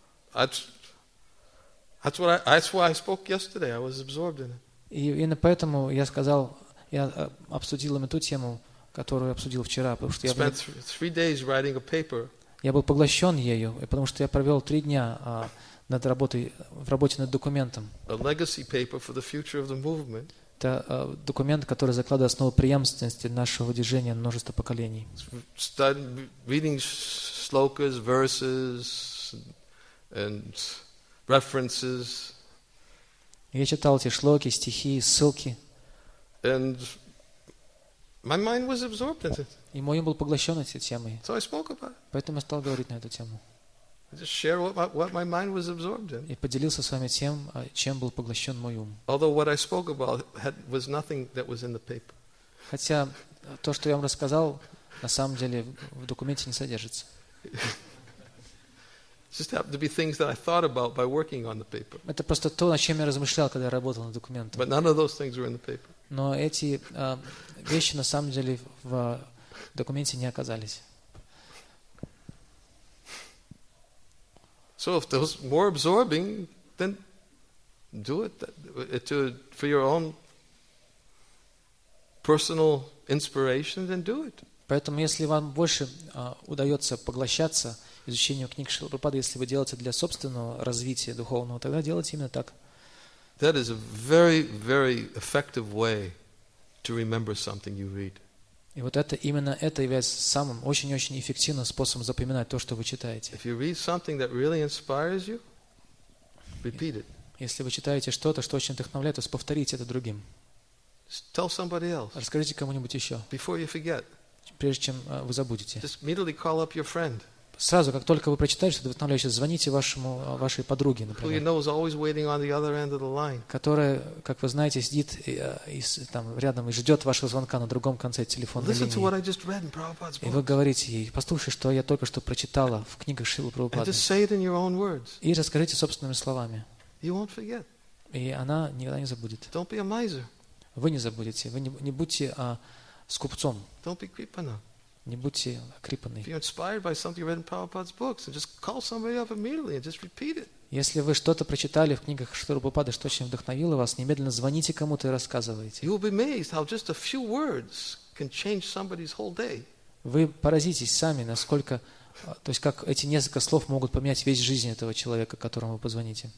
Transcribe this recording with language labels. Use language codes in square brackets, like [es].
[en] That's why I spoke yesterday. I was absorbed in it. [ru] И именно поэтому я сказал, я обсудил им эту тему, которую я обсудил вчера, потому что я [en] spent 3 days writing a paper. [ru] Я был поглощен ею, потому что я провел 3 дня. В работе над документом. [en] A legacy paper for the future of the movement. [ru] Это документ, который закладывает основу преемственности нашего движения множества поколений. [en] Reading slokas, verses, and references. [ru] Я читал эти шлоки, стихи, ссылки. [en] And my mind was absorbed in it. [ru] И мой ум был поглощен этой темой. [en] So I spoke about it. [ru] Поэтому я стал говорить на эту тему. [en] Just share what my mind was absorbed in. [ru] И поделился с вами тем, чем был поглощен мой ум. [en] Although what I spoke about was nothing that was in the paper. [ru] Хотя то, что я вам рассказал, на самом деле в документе не содержится. [en] Just happened to be things that I thought about by working on the paper. [ru] Это просто то, о чем я размышлял, когда я работал над документом. [en] But none of those things were in the paper. [ru] Но эти вещи на самом деле в документе не оказались. [en] So if those more absorbing, then do it for your own personal inspiration. Then do it. [ru] Поэтому, если вам больше удается поглощаться изучению книг Шрилы Прабхупады, если вы делаете для собственного развития духовного, тогда делайте именно так. [en] That is a very, very effective way to remember something you read. [ru] И вот это именно это является самым очень-очень эффективным способом запоминать то, что вы читаете. [en] If you read something that really inspires you, repeat it. [ru] Если вы читаете что-то, что очень вдохновляет вас, повторите это другим. [en] Tell somebody else. [ru] Расскажите кому-нибудь еще. [en] Before you forget. [ru] Прежде чем вы забудете. [en] Just immediately call up your friend. [ru] Сразу, как только вы прочитаете что-то вдохновляющее, звоните вашей подруге, например. [en] Who you know is always waiting on the other end of the line. [ru] Которая, как вы знаете, сидит там рядом и ждет вашего звонка на другом конце телефонной линии. [en] Listen to what I just read in Prabhupada's book. [ru] И вы говорите ей: послушай, что я только что прочитала в книгах Шрилы Прабхупады. [en] And just say it in your own words. [ru] И расскажите собственными словами. [en] You won't forget. [ru] И она никогда не забудет. [en] Don't be a miser. [ru] Вы не забудете. Вы не будьте скупцом. [en] Don't be creepana. [ru] Не будьте крипаны. [en] If you're inspired by something you read in Prabhupada's books, just call somebody up immediately and just repeat it. [ru] Если вы что-то прочитали в книгах Шрилы Прабхупады, что очень вдохновило вас, немедленно звоните кому-то и рассказывайте. [en] You'll be amazed how just a few words can change somebody's whole day. [ru] Вы поразитесь сами, насколько, то есть как эти несколько слов могут поменять весь жизнь этого человека, которому вы позвоните.